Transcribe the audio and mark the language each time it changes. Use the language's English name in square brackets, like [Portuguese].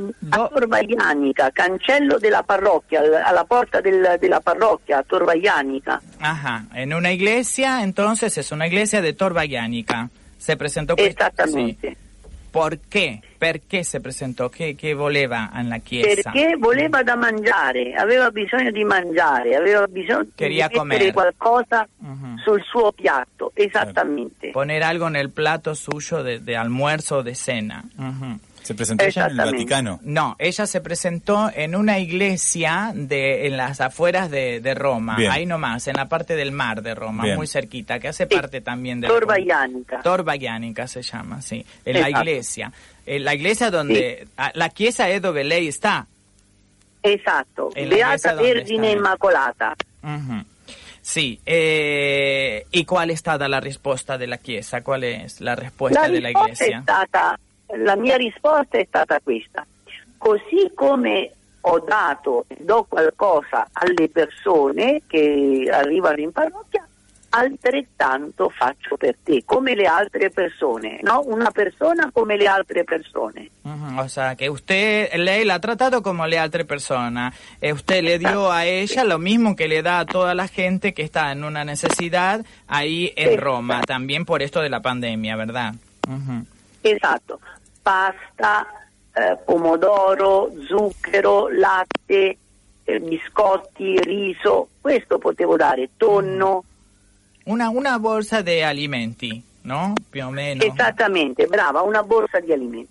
[Italian] A Tor Vaianica, cancello della parrocchia, alla porta della parrocchia, a Tor Vaianica. [Spanish] Ajá, [Italian] in una [Spanish] iglesia, entonces es una iglesia de Tor Vaianica. Se presentó exactamente. ¿Por qué? ¿Por qué se presentó? ¿Qué [Italian] voleva [Spanish] en la [Italian] chiesa? Perché voleva da mangiare, aveva bisogno di mangiare, aveva bisogno [Spanish] Quería [Italian] di mettere qualcosa sul suo piatto, esattamente. [Spanish] Poner algo [Italian] nel [Spanish] plato suyo de almuerzo o de cena. ¿Se presentó ella en el Vaticano? No, ella se presentó en una iglesia en las afueras de Roma. Bien. Ahí nomás, en la parte del mar de Roma. Bien. Muy cerquita, que hace parte también de Tor Vaianica. Tor Vaianica se llama, sí. En la iglesia. En la iglesia donde... Sí. La [Italian] chiesa [Spanish] es donde ley está. Exacto. [Italian] Beata Vergine Immacolata. Sì, e qual è stata la risposta della Chiesa? Qual è la risposta della Chiesa? La mia risposta è stata questa. Così come ho dato e do qualcosa alle persone che arrivano in parrocchia, altrettanto faccio per te, come le altre persone, no? Una persona come le altre persone. [Spanish] O sea, que usted, [Italian] lei l'ha trattato come le altre persone. [Spanish] E usted le dio a ella lo mismo [Italian] che [Spanish] le da a [Italian] tutta la gente che sta in una necessità [Spanish] ahí in Roma, también por esto de la pandemia, ¿verdad? [Italian] Esatto. Pasta, pomodoro, zucchero, latte, biscotti, riso, questo potevo dare, tonno. Una borsa di alimenti, no? Più o meno. Esattamente, brava, una borsa di alimenti.